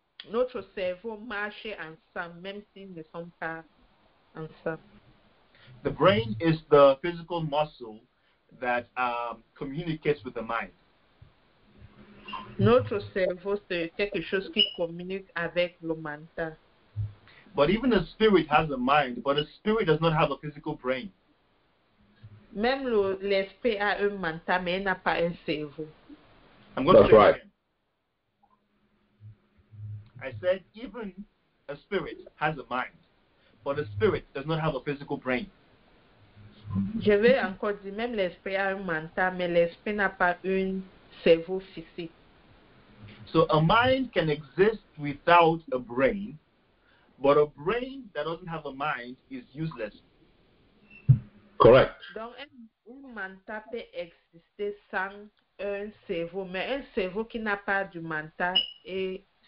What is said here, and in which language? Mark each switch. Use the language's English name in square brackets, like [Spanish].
[French] Notre cerveau marche ensemble, même si nous ne sommes pas ensemble. [English] The brain is the physical muscle that communicates with the mind. [French] Notre cerveau, c'est quelque chose qui communique avec le mental. [English] But even a spirit has a mind, but a spirit does not have a physical brain. [French] Même l'esprit a un mental, mais il n'a pas un cerveau. [English] I'm going That's to right. I said, even a spirit has a mind, but a spirit does not have a physical brain. [French] Je vais encore dire, même l'esprit a un mental, mais l'esprit n'a pas un cerveau physique. [English] So a mind can exist without a brain, but a brain that doesn't have a mind is useless. Correct. [French] Donc un mental peut exister sans un cerveau, mais un cerveau qui n'a pas du mental est